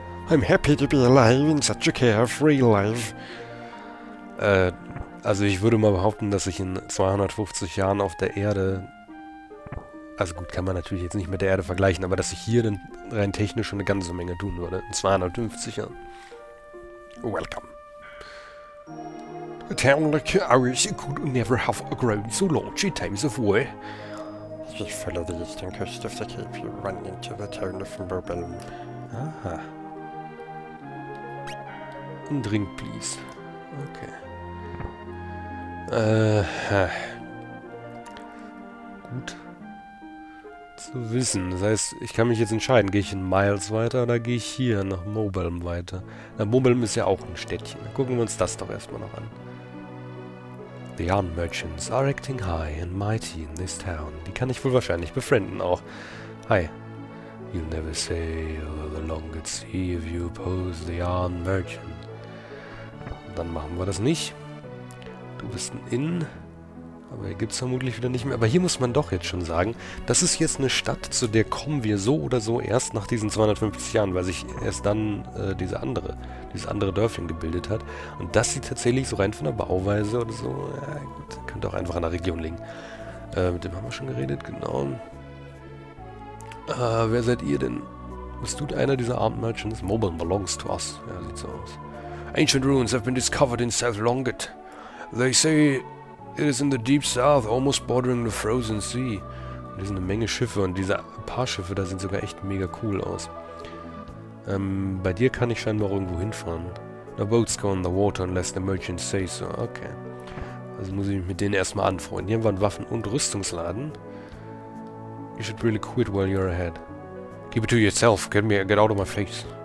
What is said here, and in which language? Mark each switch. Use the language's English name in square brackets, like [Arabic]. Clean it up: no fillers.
[English] I'm happy to be alive in such a carefree life. [German] Also ich würde mal behaupten, dass ich in 250 Jahren auf der Erde... Also gut, kann man natürlich jetzt nicht mit der Erde vergleichen, aber dass ich hier dann rein technisch schon eine ganze Menge tun würde. In 250 Jahren. [English] Welcome. A town like ours could never have grown so large in times of war. just follow the eastern coast of the cape, you run into the town of Mobelm. Aha. Drink, please. Okay. [German] Gut. Zu wissen. Das heißt, ich kann mich jetzt entscheiden, gehe ich in Miles weiter oder gehe ich hier nach Mobelm weiter. Na, Mobelm ist ja auch ein Städtchen. Dann gucken wir uns das doch erstmal noch an. [English] The armed merchants are acting high and mighty in this town. [German] Die kann ich wohl wahrscheinlich befrienden auch. [English] Hi. You'll never sail the longest sea if you oppose the armed merchant. [German] Dann machen wir das nicht. Du bist ein Inn. Aber hier gibt es vermutlich wieder nicht mehr. Aber hier muss man doch jetzt schon sagen, das ist jetzt eine Stadt, zu der kommen wir so oder so erst nach diesen 250 Jahren, weil sich erst dann dieses andere Dörfchen gebildet hat. Und das sieht tatsächlich so rein von der Bauweise oder so. Ja, gut, könnte auch einfach an der Region liegen. Mit dem haben wir schon geredet, genau. Wer seid ihr denn? Bist du einer dieser Armed Merchants? [English] Mobile belongs to us. [German] Ja, sieht so aus. [English] Ancient ruins have been discovered in South Longit. They say it is in the deep south, almost bordering the frozen sea. [German] Und hier sind eine Menge Schiffe und diese paar Schiffe, da sind sogar echt mega cool aus. Bei dir kann ich scheinbar irgendwo hinfahren. [English] No boats go on the water unless the merchants say so. Okay. [German] Also muss ich mich mit denen erstmal anfreunden. Hier haben wir einen Waffen- und Rüstungsladen. [English] You should really quit while you're ahead. Keep it to yourself. Get out of my face.